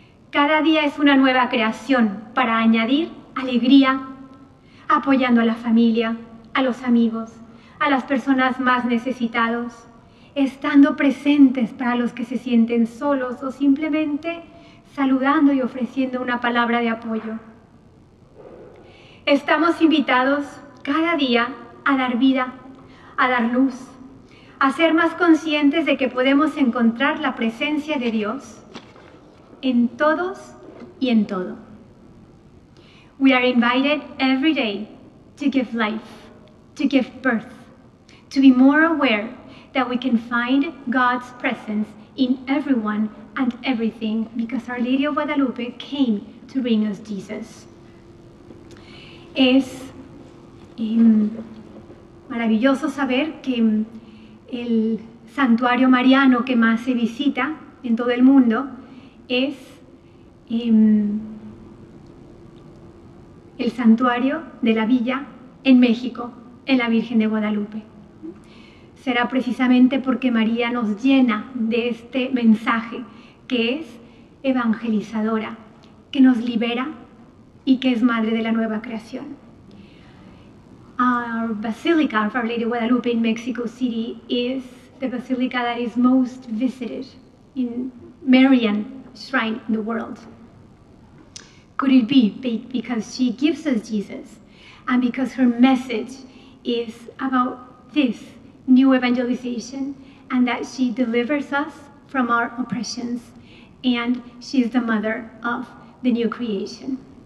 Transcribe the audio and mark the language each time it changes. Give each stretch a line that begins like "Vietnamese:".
Spanish: Cada día es una nueva creación para añadir alegría, apoyando a la familia, a los amigos, a las personas más necesitados, estando presentes para los que se sienten solos o simplemente saludando y ofreciendo una palabra de apoyo. Estamos invitados cada día a dar vida, a dar luz, a ser más conscientes de que podemos encontrar la presencia de Dios en todos y en todo.
English: We are invited every day to give life, to give birth, to be more aware that we can find God's presence in everyone and everything because Our Lady of Guadalupe came to bring us Jesus.
Spanish: Es maravilloso saber que el santuario mariano que más se visita en todo el mundo es el santuario de la Villa en México, en la Virgen de Guadalupe. Será precisamente porque María nos llena de este mensaje que es evangelizadora, que nos libera y que es madre de la nueva creación.
English: Our Basilica of Our Lady of Guadalupe in Mexico City is the basilica that is most visited in Marian shrine in the world. Could it be because she gives us Jesus and because her message is about this new evangelization and that she delivers us from our oppressions and she is the mother of the new creation?